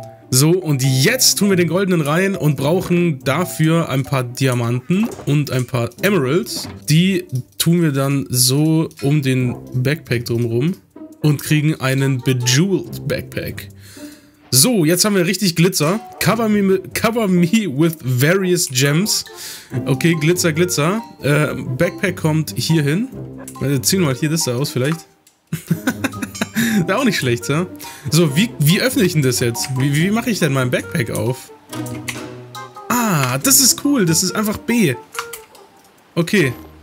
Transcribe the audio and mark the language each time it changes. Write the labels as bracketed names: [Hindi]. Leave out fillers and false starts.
[German] So, und jetzt tun wir den goldenen rein und brauchen dafür ein paar Diamanten und ein paar Emeralds. Die tun wir dann so um den Backpack drumherum und kriegen einen Bejeweled Backpack. So, jetzt haben wir richtig Glitzer. [English] Cover me with various gems. [German] Okay, Glitzer, Glitzer. Backpack kommt hier hin. Warte, ziehen wir mal hier das da aus vielleicht. Wäre auch nicht schlecht, ja? So, wie öffne ich denn das jetzt? Wie mache ich denn mein Backpack auf? Ah, das ist cool. Das ist einfach B. Okay.